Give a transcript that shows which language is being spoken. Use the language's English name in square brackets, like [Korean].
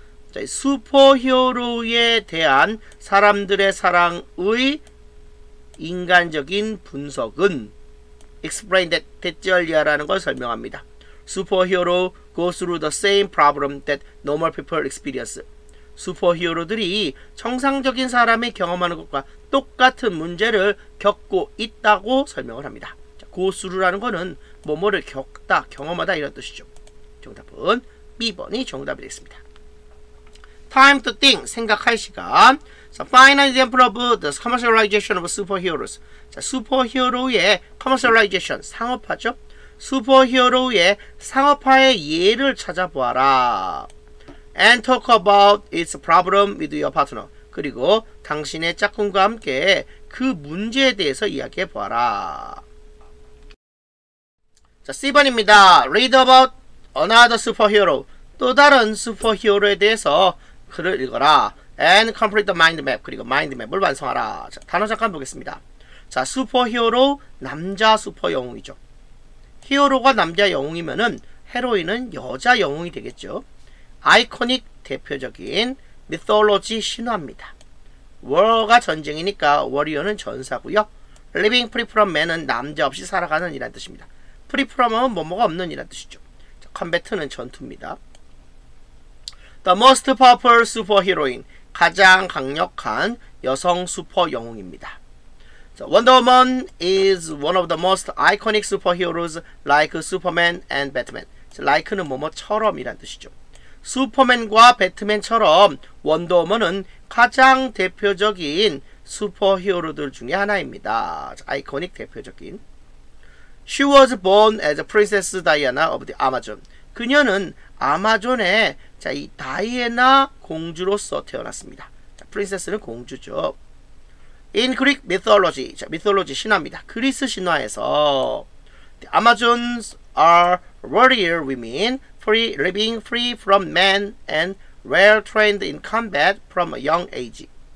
[Korean] 자, 슈퍼히어로에 대한 사람들의 사랑의 인간적인 분석은 [English] explain that [Korean] 대절이야라는 걸 설명합니다. [English] Superhero goes through the same problem that normal people experience. [Korean] 슈퍼히어로들이 정상적인 사람이 경험하는 것과 똑같은 문제를 겪고 있다고 설명을 합니다. 자, go through라는 거는 뭐뭐를 겪다, 경험하다 이런 뜻이죠. 정답은 B번이 정답이 되겠습니다. [English] Time to think, [Korean] 생각할 시간. [English] So, final example of the commercialization of superheroes. [Korean] 자, 슈퍼히어로의 commercialization, 상업화죠. 슈퍼히어로의 상업화의 예를 찾아보아라. [English] And talk about its problem with your partner. [Korean] 그리고 당신의 짝꿍과 함께 그 문제에 대해서 이야기해 보아라. 자, C번입니다. [English] Read about another superhero. [Korean] 또 다른 슈퍼히어로에 대해서 글을 읽어라. [English] And complete the mind map. [Korean] 그리고 mind map을 완성하라. 자, 단어 잠깐 보겠습니다. 자, 슈퍼히어로, 남자 슈퍼영웅이죠. 히어로가 남자 영웅이면은 헤로인은 여자 영웅이 되겠죠. 아이코닉 대표적인 미톨로지 신화입니다. 워가 전쟁이니까 워리어는 전사고요. [English] Living free from man [Korean] 은 남자 없이 살아가는 이란 뜻입니다. Free from은 뭐뭐가 없는 이란 뜻이죠. 자, 컴배트는 전투입니다. [English] The most powerful superheroine, [Korean] 가장 강력한 여성 슈퍼영웅입니다. [English] So, Wonder Woman is one of the most iconic superheroes like Superman and Batman. [Korean] So, like는 뭐뭐처럼 이란 뜻이죠. 슈퍼맨과 배트맨처럼 원더우먼은 가장 대표적인 슈퍼히어로들 중에 하나입니다. 아이코닉 대표적인. [English] She was born as Princess Diana of the Amazon. [Korean] 그녀는 아마존의 자, 이 다이애나 공주로서 태어났습니다. 자, 프린세스는 공주죠. [English] In Greek mythology, [Korean] 자, mythology 신화입니다. 그리스 신화에서 [English] The Amazons are warrior women, free, living free from men and well trained in combat from a young age.